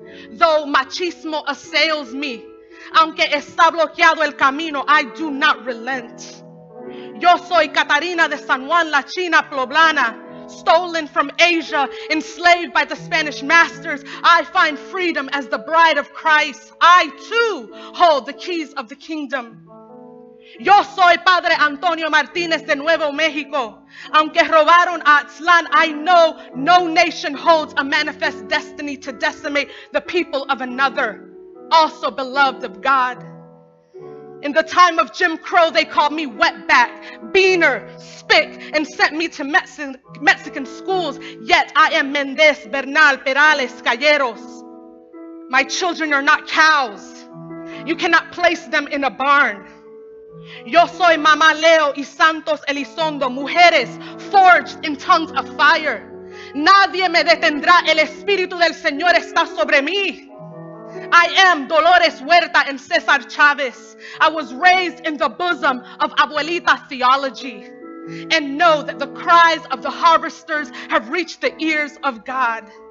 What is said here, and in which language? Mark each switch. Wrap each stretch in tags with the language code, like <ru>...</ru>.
<en>Though machismo assails me,</en> <es>aunque está bloqueado el camino,</es> <en>I do not relent.</en> <es>Yo soy Catarina de San Juan, la China Poblana.</es> <en>Stolen from Asia, enslaved by the Spanish masters, I find freedom as the bride of Christ. I too hold the keys of the kingdom.</en> <es>Yo soy Padre Antonio Martinez de Nuevo México. Aunque robaron a Aztlán,</es> <en>I know no nation holds a manifest destiny to decimate the people of another, also beloved of God. In the time of Jim Crow, they called me wetback, beaner, spick, and sent me to Mexican schools. Yet I am Mendez, Bernal, Perales, Calleros. My children are not cows. You cannot place them in a barn.</en> <es>Yo soy Mama Leo y Santos Elizondo, mujeres</es> <en>forged in tongues of fire.</en> <es>Nadie me detendrá, el Espíritu del Señor está sobre mí.</es> <en>I am Dolores Huerta and Cesar Chavez. I was raised in the bosom of Abuelita theology and know that the cries of the harvesters have reached the ears of God.</en>